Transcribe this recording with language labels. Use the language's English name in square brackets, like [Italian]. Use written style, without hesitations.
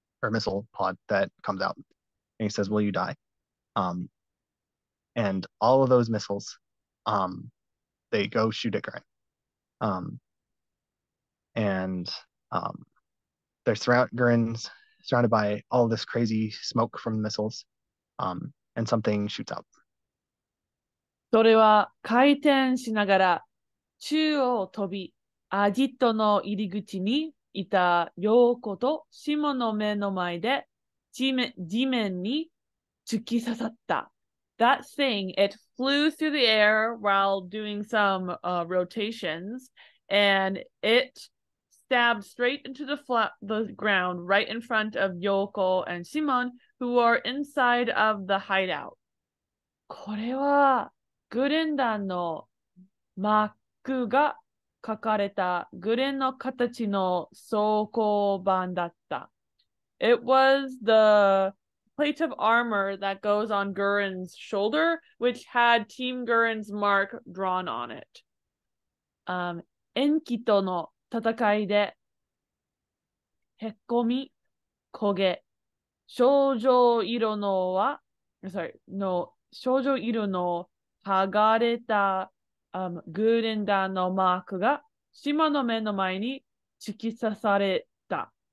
[English] Or missile pod that comes out, and he says, "Will you die?" And all of those missiles, they go shoot at Gurren, and they're surrounded. Gurren's surrounded by all this crazy smoke from the missiles, and something shoots out. [Japanese] それは回転しながら中央を飛び、アジトの入り口にいた陽子とシモの目の前で地面に突き刺さった。 [English] That thing, it flew through the air while doing some rotations, and it stabbed straight into the ground right in front of Yoko and Shimon, who are inside of the hideout. [Japanese] これはグレン弾のマークが書かれたグレンの形の装甲板だった。 [English] It was the plate of armor that goes on Gurren's shoulder, which had Team Gurren's mark drawn on it. [Japanese] 炎騎との戦いで、へこみ、焦げ、症状色のは、 [English] sorry, [Japanese] の、症状色の剥がれた、グーレンダーのマークが島の目の前に突き刺された。